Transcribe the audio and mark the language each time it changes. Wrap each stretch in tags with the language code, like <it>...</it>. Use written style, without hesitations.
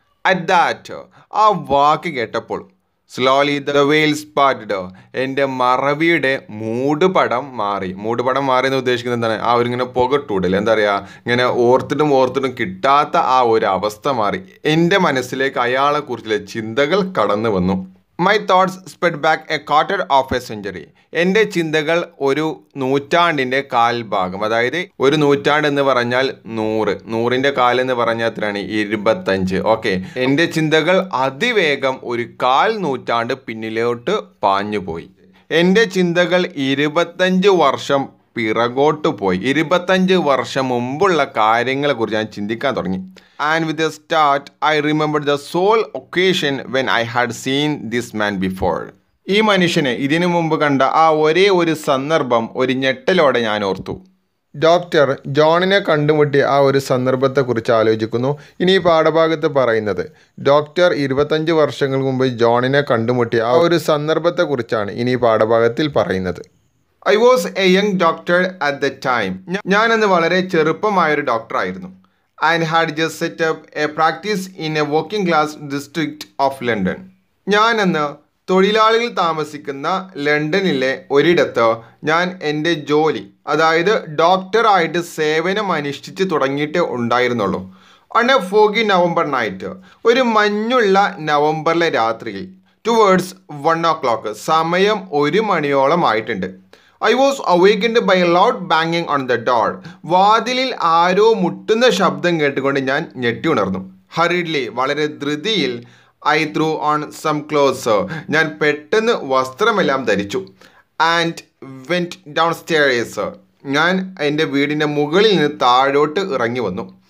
<en>at that,</en> <ml>ആ വാക്ക് കേട്ടപ്പോൾ,</ml> <en>slowly the veils parted,</en> <ml>എൻ്റെ മറവിയുടെ മൂടുപടം മാറി. മൂടുപടം മാറി എന്ന് ഉദ്ദേശിക്കുന്നത് എന്താണ്? ആ ഒരിങ്ങനെ പുകട്ടൂടൽ, എന്താ പറയുക, ഇങ്ങനെ ഓർത്തിട്ടും ഓർത്തിട്ടും കിട്ടാത്ത ആ ഒരു അവസ്ഥ മാറി. എൻ്റെ മനസ്സിലേക്ക് അയാളെക്കുറിച്ചുള്ള ചിന്തകൾ കടന്നു വന്നു.</ml> <en>My thoughts sped back a quarter of a century.</en> <ml>എൻ്റെ ചിന്തകൾ ഒരു നൂറ്റാണ്ടിൻ്റെ കാൽഭാഗം, അതായത് ഒരു നൂറ്റാണ്ട് എന്ന് പറഞ്ഞാൽ നൂറ്, നൂറിൻ്റെ കാലെന്ന് പറഞ്ഞാൽ എത്രയാണ്, 25. ഓക്കെ, എൻ്റെ ചിന്തകൾ അതിവേഗം ഒരു കാൽ നൂറ്റാണ്ട് പിന്നിലോട്ട് പാഞ്ഞുപോയി. എൻ്റെ ചിന്തകൾ 25 വർഷം പിറകോട്ട് പോയി. 25 വർഷം മുമ്പുള്ള കാര്യങ്ങളെ കുറിച്ച് ഞാൻ ചിന്തിക്കാൻ തുടങ്ങി.</ml> <en>And with a start I remembered the sole occasion when I had seen this man before.</en> <ml>ഈ മനുഷ്യനെ ഇതിനു മുമ്പ് കണ്ട ആ ഒരേ ഒരു സന്ദർഭം ഒരു ഞെട്ടലോടെ ഞാൻ ഓർത്തു. ഡോക്ടർ ജോണിനെ കണ്ടുമുട്ടി ആ ഒരു സന്ദർഭത്തെക്കുറിച്ച് ആലോചിക്കുന്നു. ഇനി ഈ പാഠഭാഗത്ത് പറയുന്നത് ഡോക്ടർ 25 വർഷങ്ങൾ മുമ്പ് ജോണിനെ കണ്ടുമുട്ടിയ ആ ഒരു സന്ദർഭത്തെക്കുറിച്ചാണ് ഇനി ഈ പാഠഭാഗത്തിൽ പറയുന്നത്.</ml> <en>I was a young doctor at the time.</en> <ml>ഞാൻ അന്ന് വളരെ ചെറുപ്പമായ ഒരു ഡോക്ടറായിരുന്നു.</ml> <en>I had just set up a practice in a working class district of London.</en> <ml>ഞാൻ അന്ന് തൊഴിലാളികൾ താമസിക്കുന്ന ലണ്ടനിലെ ഒരിടത്ത് ഞാൻ എൻ്റെ ജോലി, അതായത് ഡോക്ടറായിട്ട് സേവനം അനുഷ്ഠിച്ച് തുടങ്ങിയിട്ട് ഉണ്ടായിരുന്നുള്ളൂ.</ml> <en>On a foggy November night,</en> <ml>ഒരു മഞ്ഞുള്ള നവംബറിലെ രാത്രിയിൽ,</ml> <en>towards 1 o'clock,</en> <ml>സമയം 1 മണിയോളം ആയിട്ടുണ്ട്.</ml> <en>I was awakened by a loud banging on the door.</en> <ml>വാതിലിൽ ആരോ മുട്ടുന്ന ശബ്ദം കേട്ടുകൊണ്ട് ഞാൻ ഞെട്ടി ഉണർന്നു.</ml> <en>hurriedly,</en> <ml>വളരെ ധൃതിയിൽ,</ml> <en>I threw on some clothes.</en> <ml>ഞാൻ പെട്ടെന്ന് വസ്ത്രമെല്ലാം ധരിച്ചു.</ml> <en>And went downstairs.</en> <ml>ഞാൻ എൻ്റെ വീടിൻ്റെ മുകളിൽ നിന്ന് താഴോട്ട് ഇറങ്ങി വന്നു.</ml>